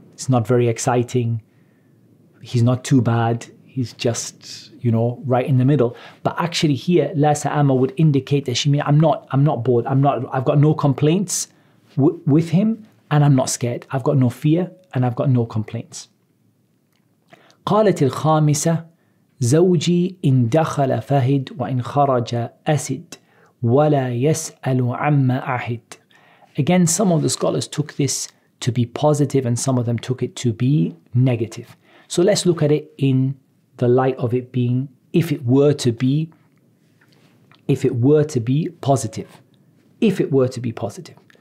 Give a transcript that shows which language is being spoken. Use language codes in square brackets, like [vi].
[en] It's not very exciting. He's not too bad. He's just, you know, right in the middle. But actually here, la sa'ama would indicate that she means, I'm not bored. I've got no complaints. with him and I'm not scared. I've got no fear and I've got no complaints. [ar] قالت الخامسة زوجي إن دخل فهد وإن خرج أسد ولا يسأل عما أحد. [en] Again, some of the scholars took this to be positive and some of them took it to be negative. So let's look at it in the light of it being, if it were to be positive.